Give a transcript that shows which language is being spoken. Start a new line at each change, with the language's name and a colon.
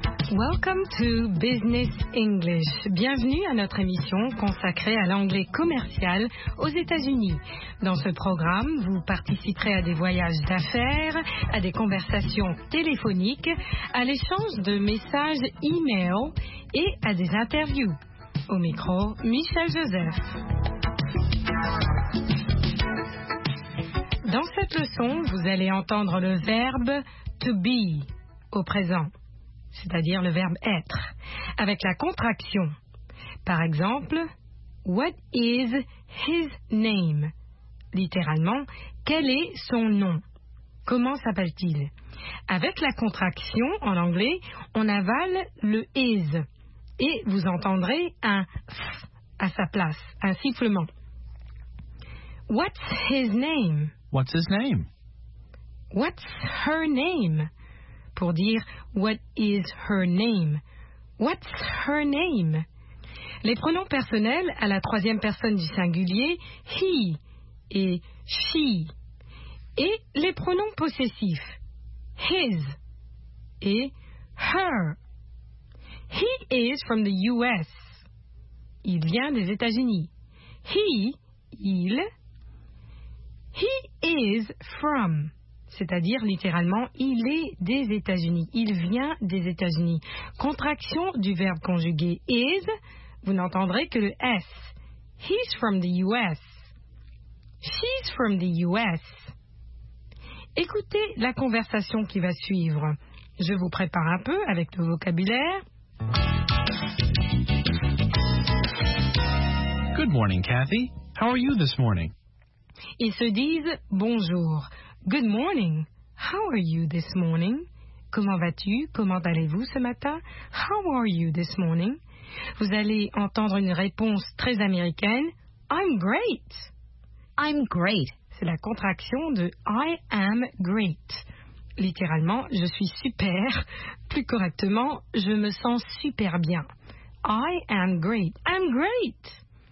English: Welcome to Business English.
French: Bienvenue à notre émission consacrée à l'anglais commercial aux États-Unis. Dans ce programme, vous participerez à des voyages d'affaires, à des conversations téléphoniques, à l'échange de messages e-mail et à des interviews. Au micro, Michel Joseph. Dans cette leçon, vous allez entendre le verbe to be au présent, c'est-à-dire le verbe être, avec la contraction. Par exemple,
English: what is his name?
French: Littéralement, quel est son nom? Comment s'appelle-t-il? Avec la contraction, en anglais, on avale le is et vous entendrez un f à sa place, un sifflement.
English: What's his name? What's his name? What's her name?
French: Pour dire
English: what is her name. What's her name?
French: Les pronoms personnels à la troisième personne du singulier, he et she. Et les pronoms possessifs, his et her.
English: He is from the US.
French: Il vient des États-Unis.
English: He, il. He is from,
French: c'est-à-dire littéralement, il est des États-Unis, il vient des États-Unis. Contraction du verbe conjugué is, vous n'entendrez que le S.
English: He's from the US. She's from the US.
French: Écoutez la conversation qui va suivre. Je vous prépare un peu avec le vocabulaire.
English: Good morning, Kathy. How are you this morning?
French: Ils se disent « Bonjour,
English: good morning, how are you this morning ?»«
French: Comment vas-tu ? Comment allez-vous ce matin ?
English: How are you this morning ?»
French: Vous allez entendre une réponse très américaine «
English: I'm great !»« I'm great !»
French: C'est la contraction de «
English: I am great !»
French: Littéralement, « je suis super !» Plus correctement, « je me sens super bien !»«
English: I am great !»« I'm great !»